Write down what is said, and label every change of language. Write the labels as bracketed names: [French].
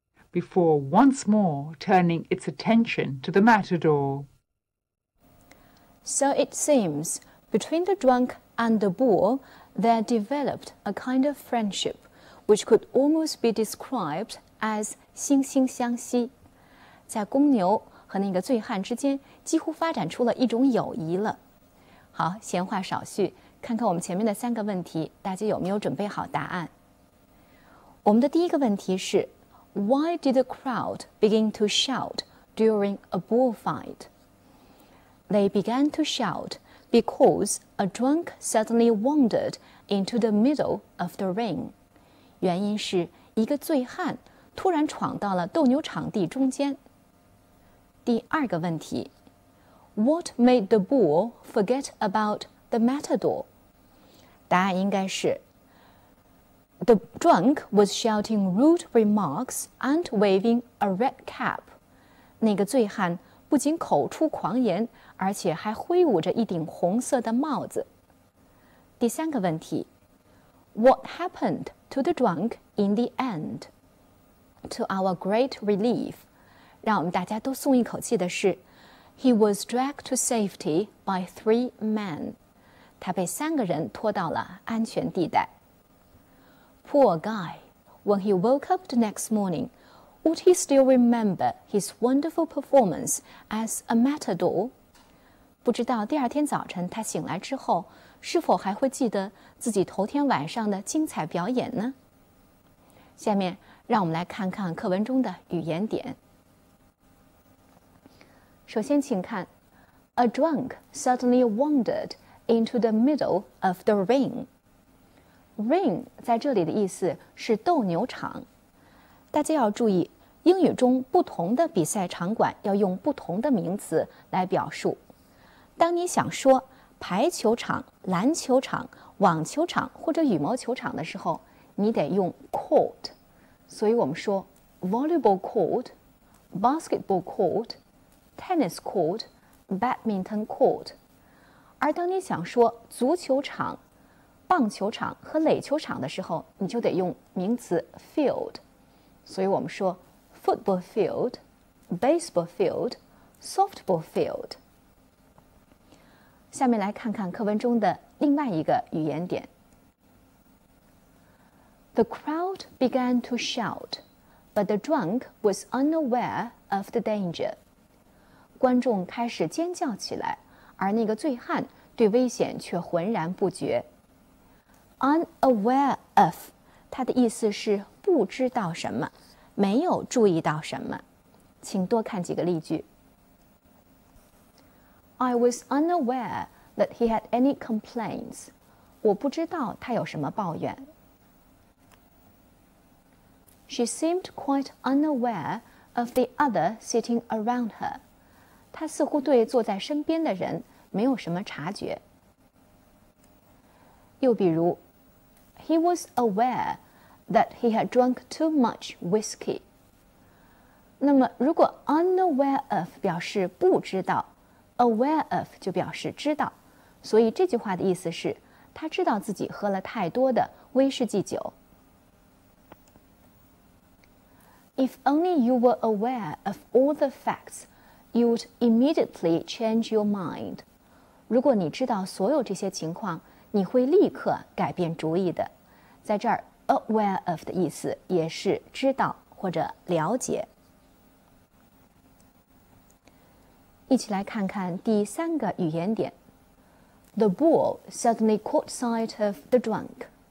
[English] Before once more turning its attention to the matador. So it seems, between the drunk and the bull, there developed a kind of friendship, which could almost be described as [Chinese] 惺惺相惜。在公牛和那个醉汉之间几乎发展出了一种友谊了。好，闲话少叙，看看我们前面的三个问题，大家有没有准备好答案？我们的第一个问题是 [English] Why did the crowd begin to shout during a bullfight? They began to shout because a drunk suddenly wandered into the middle of the ring. [Chinese] 原因是一个醉汉突然闯到了斗牛场地中间。第二个问题 [English] What made the bull forget about the matador? [Chinese] 答案应该是 [English] The drunk was shouting rude remarks and waving a red cap. [Chinese] 那个醉汉不仅口出狂言，而且还挥舞着一顶红色的帽子。第三个问题 [English] ，What happened to the drunk in the end? To our great relief, [Chinese] 让我们大家都松一口气的是 [English] ，He was dragged to safety by three men. [Chinese] 他被三个人拖到了安全地带。 [English] Poor guy, when he woke up the next morning, Would he still remember his wonderful performance as a matador? [Chinese] 不知道第二天早晨他醒来之后是否还会记得自己头天晚上的精彩表演呢？下面让我们来看看课文中的语言点。首先请看 [English] A drunk suddenly wandered into the middle of the ring. [Chinese] Ring 在这里的意思是斗牛场。大家要注意，英语中不同的比赛场馆要用不同的名词来表述。当你想说排球场、篮球场、网球场或者羽毛球场的时候，你得用 court。所以我们说 [English] volleyball court、basketball court、tennis court、badminton court。 [Chinese] 而当你想说足球场、棒球场和垒球场的时候，你就得用名词 field。所以我们说 [English] football field、baseball field、softball field。 [Chinese] 下面来看看课文中的另外一个语言点。 [English] The crowd began to shout, but the drunk was unaware of the danger. [Chinese] 观众开始尖叫起来，而那个醉汉对危险却浑然不觉。 Unaware of, 它的意思是不知道什么，没有注意到什么。请多看几个例句。 [English] I was unaware that he had any complaints. [Chinese] 我不知道他有什么抱怨。 [English] She seemed quite unaware of the other sitting around her. [Chinese] 她似乎对坐在身边的人没有什么察觉。又比如 [English] ,He was aware that he had drunk too much whiskey. [Chinese] 那么如果 unaware of 表示不知道 ,aware of 就表示知道。所以这句话的意思是他知道自己喝了太多的威士忌酒。 [English] If only you were aware of all the facts, you'd immediately change your mind. [Chinese] 如果你知道所有这些情况，你会立刻改变主意的。在这儿 aware of 的意思也是知道或者了解。一起来看看第三个语言点。 [English] The bull suddenly caught sight of the drunk.